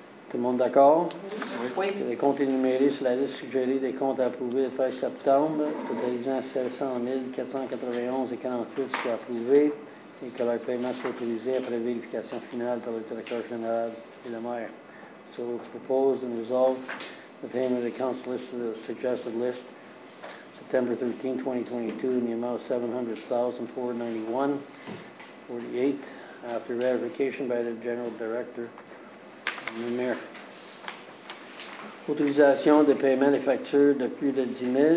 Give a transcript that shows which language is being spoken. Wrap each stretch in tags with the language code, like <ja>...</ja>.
<fr>Tout le monde d'accord? Oui. Les comptes énumérés sur la liste suggérée des comptes approuvés le 13 septembre, totalisant 700 491,48 soit approuvé et que leur paiement soit autorisé après vérification finale par le directeur général et le maire.</fr> <en>So, it's proposed and resolved the payment of the accounts listed, the suggested list, September 13, 2022, in the amount of $700,491.48 after verification by the general director.</en> <fr>Numéro. Autorisation de paiement des factures de plus de 10 000.</fr>